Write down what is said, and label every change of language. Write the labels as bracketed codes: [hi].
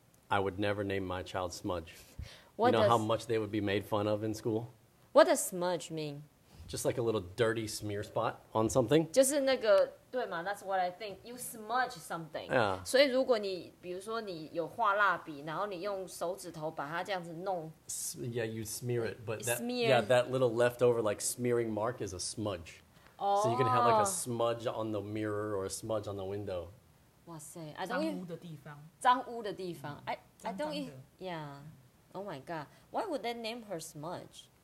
[en] I would never name my child Smudge. How much they would be made fun of in school? What does Smudge mean? Just like a little dirty smear spot on something. [zh] 就是那个，对嘛， [en] that's what I think. You smudge something. Yeah. [zh] 所以如果你，比如说你有画蜡笔，然后你用手指头把它这样子弄。 [en] Yeah, you smear it. But that, yeah, that little leftover like smearing mark is a smudge. Oh. So you can have like a smudge on the mirror or a smudge on the window. [zh] 哇塞，脏污的地方，脏污的地方。 [en] Yeah. Oh my god. Why would they name her Smudge?